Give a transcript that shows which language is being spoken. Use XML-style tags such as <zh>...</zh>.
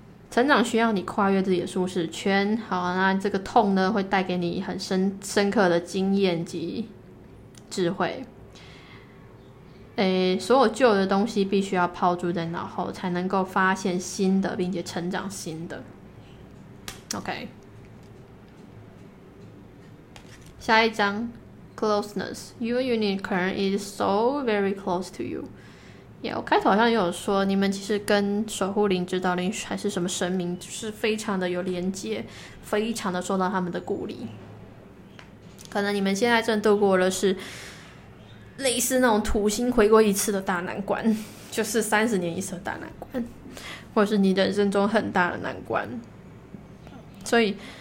<zh>成长需要你跨越自己的舒适圈，好，那这个痛呢，会带给你很深刻的经验及智慧。所有旧的东西必须要抛诸在脑后，才能够发现新的，并且成长新的。</zh> <en>OK，</en> <zh>下一张，</zh> <en>closeness，your unicorn is so very close to you。</en> <zh>我开头好像也有说，你们其实跟守护灵、指导灵还是什么神明，就是非常的有连接，非常的受到他们的鼓励。可能你们现在正度过的是类似那种土星回归一次的大难关，就是30年一次的大难关，或者是你人生中很大的难关。所以，</zh>